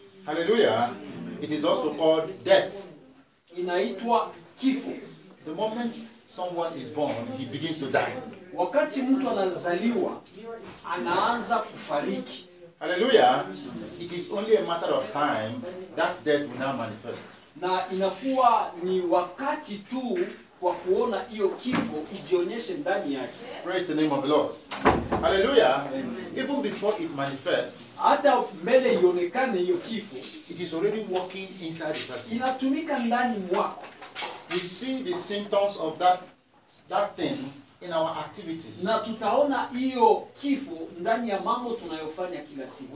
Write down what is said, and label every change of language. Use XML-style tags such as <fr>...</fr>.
<en>Hallelujah. It is also called death.</en> <sw>Inaitwa kifo.</sw> <en>The moment someone is born, he begins to die.</en> <sw>Wakati mtu anazaliwa, anaanza kufariki.</sw> <en>Hallelujah. It is only a matter of time that death will now manifest.</en> <sw>Na inakuwa ni wakati tu kwa kuona hiyo kifo ijionyeshe ndani yake.</sw> <en>Praise the name of the Lord. Hallelujah. Amen. Even before it manifests,</en> <sw>hata mbele ionekane hiyo kifo,</sw> <en>it is already working inside the person.</en> <sw>Inatumika ndani mwako.</sw> <en>We see the symptoms of that thing in our activities.</en> <sw>Na tutaona hiyo kifo ndani ya mambo tunayofanya kila siku.</sw>